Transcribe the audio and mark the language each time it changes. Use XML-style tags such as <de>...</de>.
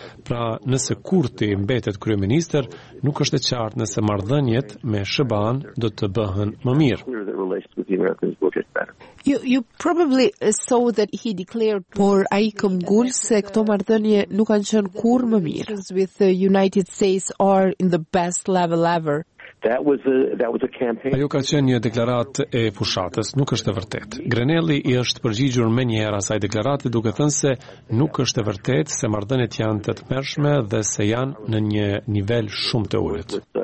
<sq>Pra, nëse Kurti mbetet kryeminister, nuk është e qartë nëse marrëdhëniet me SBA-n do të bëhen më mirë.</sq> <en>You probably saw that he declared</en> <sq>por ai këmbgul se këto marrëdhënie nuk kanë qenë kurrë më mirë.</sq> <en>With the United States are in the best level ever. That was a campaign.</en> <sq>Ajo ka qenë një deklaratë e fushatës, nuk është e vërtetë. Grenelli i është përgjigjur më një herë asaj deklarate duke thënë se nuk është e vërtetë se marrëdhëniet janë të tmerrshme dhe se janë në një nivel shumë të ulët.</sq>